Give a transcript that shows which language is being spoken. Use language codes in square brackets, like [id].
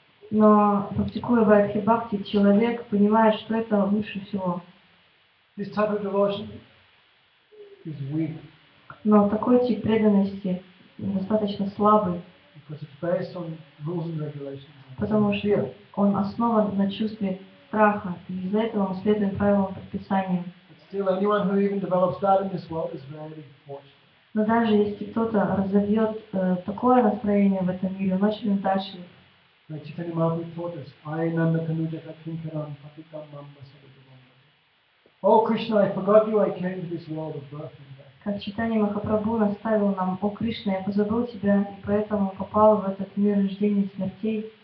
[ru] Но практикуя Vaidhi Bhakti, человек понимает, что это лучше всего. [en] This type of devotion is weak. [ru] Но такой тип преданности достаточно слабый. [en] Because it's based on rules and regulations. [ru] Потому что он основан на чувстве страха, и из-за этого он следует правилам предписания. [en] But still, anyone who even develops that in this world is very fortunate. [ru] Но даже если кто-то разовьет такое настроение в этом мире, он очень удачлив. [en] Like Chaitanya Mahaprabhu taught us, [sa] I nanda kanujaka kinkaram patikam mambasada. [ru] О, Кришна, [en] I forgot you, I came to this world of birth and death. [ru] Как Чайтанья Махапрабху наставил нам, о, Кришна, я позабыл тебя, и поэтому попал в этот мир рождения и смертей.